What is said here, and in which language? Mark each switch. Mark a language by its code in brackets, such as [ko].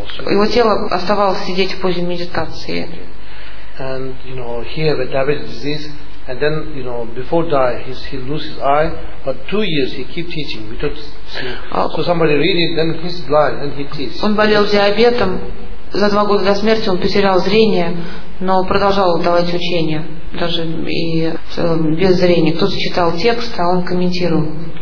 [ru] Его тело оставалось сидеть в позе медитации. [en] And you know he had a diabetic disease, and then you know before die he lose his eye, but 2 years he keep teaching. We took so somebody read it, then he's blind and he teaches. [ru] Он болел диабетом. За 2 года до смерти он потерял зрение, но продолжал давать учения, даже и без зрения. Кто-то читал текст, а он комментировал.